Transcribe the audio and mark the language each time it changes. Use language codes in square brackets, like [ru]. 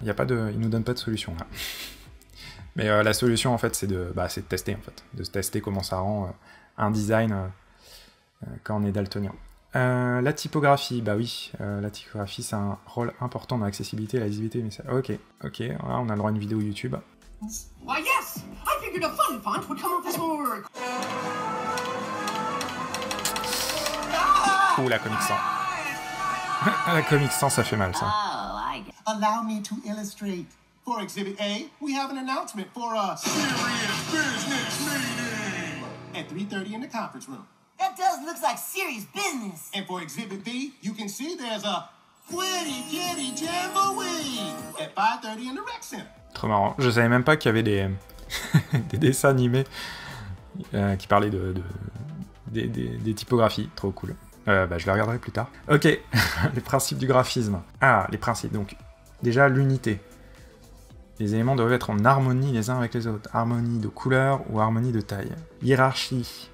[fr] Ils nous donnent pas de solution, là. Mais la solution, en fait, c'est de tester, en fait. De tester comment ça rend un design quand on est daltonien. La typographie, la typographie, c'est un rôle important dans l'accessibilité et la lisibilité. Mais ça... Ok, voilà, on a le droit à une vidéo YouTube. [en] Oh, yes! I figured a fun font would come off this work. [fr] Ouh, la Comic Sans. La Comic Sans, ça fait mal, ça. [en] Allow me to illustrate. For Exhibit A, we have an announcement for a serious business meeting at 3:30 in the conference room. That does look like serious business. And for Exhibit B, you can see there's a Quitty Kitty Jamboree at 5:30 in the rec center. [fr] Trop marrant. Je savais même pas qu'il y avait des des dessins animés qui parlaient de des typographies. Trop cool. Je la regarderai plus tard. Ok, les principes du graphisme. Ah, les principes, donc. Déjà, l'unité. Les éléments doivent être en harmonie les uns avec les autres. Harmonie de couleur ou harmonie de taille. Hiérarchie.